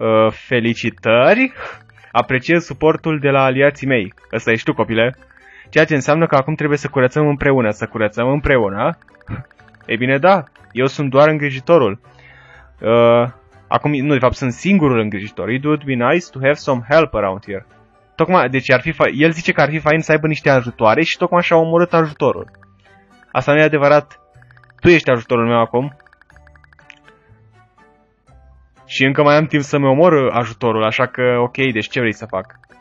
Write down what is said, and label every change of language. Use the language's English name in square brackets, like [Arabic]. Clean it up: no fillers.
[Romanian] Felicitări! Apreciez suportul de la aliații mei. Ăsta ești tu, copile. Ceea ce înseamnă că acum trebuie să curățăm împreună. Să curățăm împreună? Ei bine, da. Eu sunt doar îngrijitorul. Acum, nu, de fapt, sunt singurul îngrijitor. [English] It would be nice to have some help around here. [Romanian] Tocmai, deci ar fi el zice că ar fi fain să aibă niște ajutoare și tocmai și-a omorât ajutorul. Asta nu e adevărat. Tu ești ajutorul meu acum. Și încă mai am timp să-mi omor ajutorul, așa că, ok, deci ce vrei să fac?